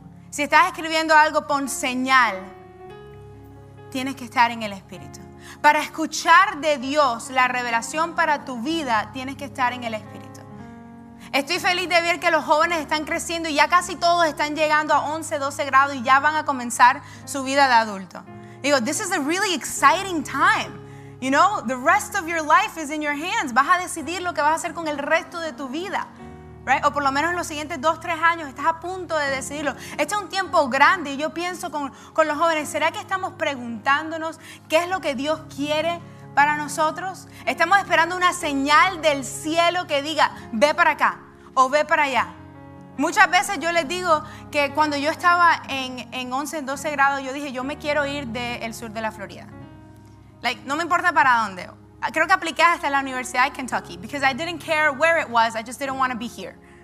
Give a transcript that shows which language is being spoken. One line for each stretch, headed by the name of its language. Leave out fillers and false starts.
Spanish: Si estás escribiendo algo, pon señal. Tienes que estar en el Espíritu. Para escuchar de Dios la revelación para tu vida, tienes que estar en el Espíritu. Estoy feliz de ver que los jóvenes están creciendo y ya casi todos están llegando a 11, 12 grados y ya van a comenzar su vida de adulto.
English: Digo, this is a really exciting time. You know, the rest of your life is in your hands.
Spanish: Vas a decidir lo que vas a hacer con el resto de tu vida, right? O por lo menos en los siguientes 2-3 años estás a punto de decidirlo. Este es un tiempo grande y yo pienso con los jóvenes, ¿será que estamos preguntándonos qué es lo que Dios quiere para nosotros? ¿Estamos esperando una señal del cielo que diga, ve para acá o ve para allá? Muchas veces yo les digo que cuando yo estaba en 11, 12 grados, yo dije, yo me quiero ir del sur de la Florida. Like, no me importa para dónde. Creo que apliqué hasta la Universidad de Kentucky.
English: Because I didn't care where it was. I just didn't want to be here.